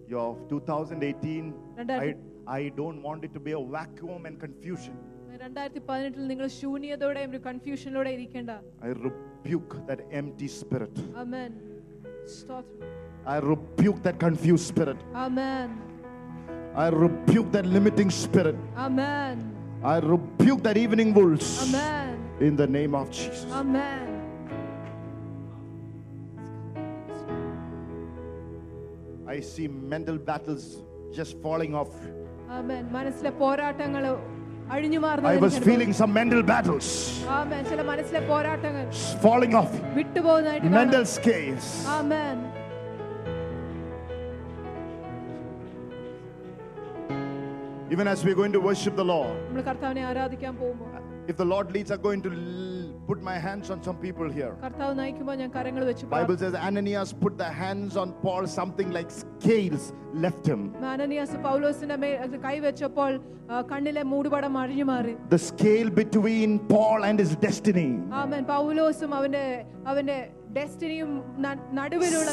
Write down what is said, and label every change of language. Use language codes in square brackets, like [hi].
[en] your 2018 I don't want it to be a vacuum and confusion [ml] 2018 ൽ നിങ്ങൾ ശൂന്യതയോടെയും ഒരു കൺഫ്യൂഷനിലൂടെ ഇരിക്കേണ്ട [en] I rebuke that empty spirit amen stop I rebuke that confused spirit amen I rebuke that limiting spirit. Amen. I rebuke that evening wolves. Amen. In the name of Jesus. Amen. I see mental battles just falling off. Amen. [ml] മനസ്സിലെ പോരാട്ടങ്ങൾ അഴിഞ്ഞു മാറുന്നു. [en] I was feeling some mental battles. [ml] Amen. ചില മനസ്സിലെ പോരാട്ടങ്ങൾ [en] falling off. [ml] വിട്ടുപോകുന്നതായിട്ട് [en] mental scales. Amen. Even as we are going to worship the Lord. [ml] നമ്മൾ കർത്താവിനെ ആരാധിക്കാൻ പോകുമ്പോൾ. [en] If the Lord leads are going to put my hands on some people here. [ml] കർത്താവ് നയിക്കുമ്പോൾ ഞാൻ കരങ്ങൾ വെച്ചു. [en] Bible says Ananias put the hands on Paul something like scales left him. [ml] ആനനിയാസ് പൗലോസിനെ മേൽ കൈ വെച്ചപ്പോൾ കണ്ണിലെ മൂടുപടം അഴിഞ്ഞു മാറി. [en] The scale between Paul and his destiny. [ml] ആമേൻ പൗലോസും അവന്റെ ഡെസ്റ്റിനിയും നടുവിലുള്ള